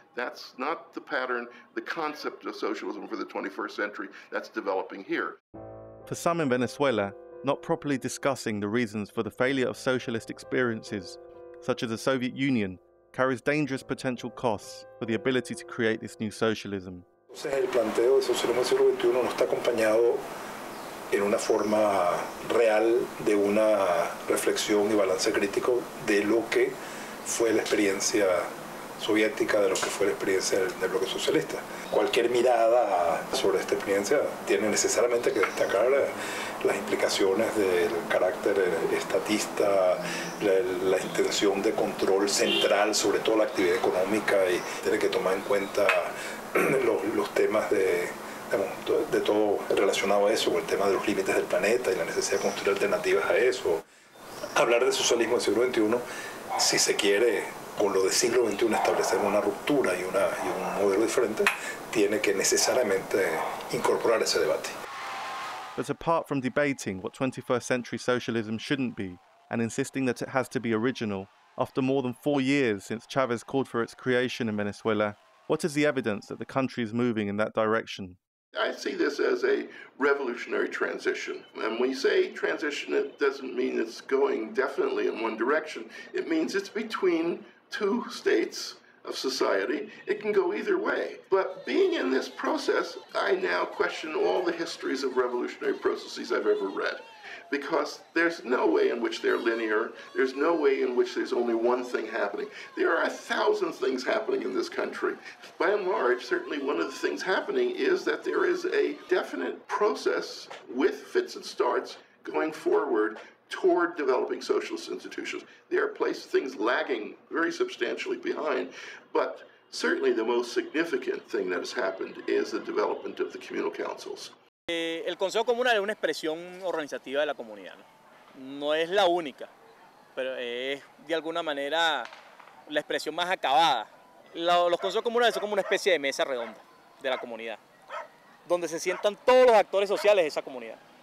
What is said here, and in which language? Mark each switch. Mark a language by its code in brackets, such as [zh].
[en] That's not the pattern, the concept of socialism for the 21st century that's developing here. For some in Venezuela, not properly discussing the reasons for the failure of socialist experiences, such as the Soviet Union, carries dangerous potential costs for the ability to create this new socialism. [es] Entonces, el planteo de socialismo del siglo XXI no está acompañado en una forma real de una reflexión y balance crítico de lo que fue la experiencia soviética, de lo que fue la experiencia del bloque socialista. Cualquier mirada sobre esta experiencia tiene necesariamente que destacar las implicaciones del carácter estatista, la intención de control central sobre toda la actividad económica, y tiene que tomar en cuenta los temas de todo relacionado a eso, con el tema de los límites del planeta y la necesidad de construir alternativas a eso. Hablar de socialismo del siglo XXI, si se quiere, con lo del siglo XXI, establecer una ruptura y un modelo diferente, tiene que necesariamente incorporar ese debate. [en] But apart from debating what 21st century socialism shouldn't be and insisting that it has to be original, after more than 4 years since Chavez called for its creation in Venezuela, what is the evidence that the country is moving in that direction? I see this as a revolutionary transition. And when you say transition, it doesn't mean it's going definitely in one direction. It means it's between two states of society. It can go either way. But being in this process, I now question all the histories of revolutionary processes I've ever read. Because there's no way in which they're linear. There's no way in which there's only one thing happening. There are a thousand things happening in this country. By and large, certainly one of the things happening is that there is a definite process with fits and starts going forward toward developing socialist institutions. There are places, things lagging very substantially behind, but certainly the most significant thing that has happened is the development of the communal councils. [es] El Consejo Comunal es una expresión organizativa de la comunidad, ¿no? No es la única, pero es de alguna manera la expresión más acabada. Los consejos comunales son como una especie de mesa redonda de la comunidad, donde se sientan todos los actores sociales de esa comunidad.